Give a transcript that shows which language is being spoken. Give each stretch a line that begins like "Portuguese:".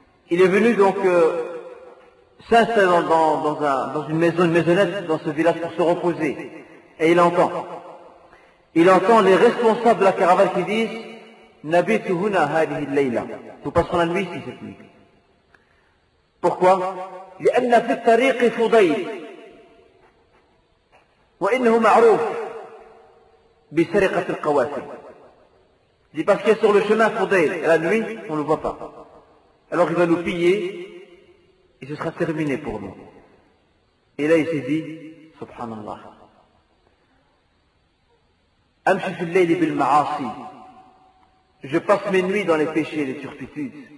French: Il est venu donc s'installer dans une maisonnette dans ce village pour se reposer. Et il entend. Il entend les responsables de la caravane qui disent
Arabic: Nabitu huna hadihi layla.
French: Nous passerons la nuit ici cette nuit. Pourquoi?
Arabic: لأن في الطريق فضيل وإنه معروف بسرقة القوافل.
French: Il dit parce qu'il est sur le chemin Fudayl. La nuit, on ne le voit pas. Alors il va nous piller et ce sera terminé pour nous. Et là il s'est dit, subhanallah.
Arabic: Amshi fil layli bil ma'asi.
French: Je passe mes nuits dans les péchés et les turpitudes.